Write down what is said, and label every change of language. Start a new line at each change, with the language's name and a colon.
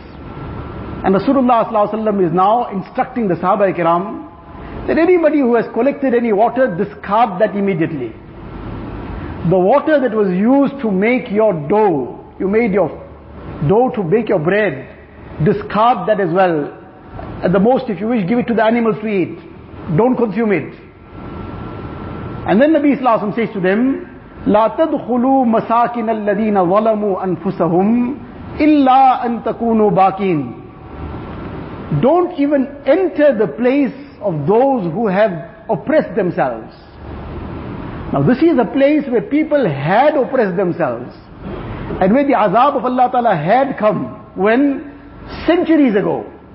English: And Rasulullah sallallahu alaihi wasallam is now instructing the sahaba ikram that anybody who has collected any water, discard that immediately. The water that was used to make your dough, you made your dough to bake your bread, discard that as well. At the most, if you wish, give it to the animals to eat. Don't consume it. And then Nabi Sallallahu Alaihi Wasallam says to them,
Arabic: لا تدخلوا مساكن الذين ظلموا أنفسهم إلا أن تكونوا باكين.
English: Don't even enter the place of those who have oppressed themselves. Now this is a place where people had oppressed themselves, and where the azab of Allah Ta'ala had come when centuries ago.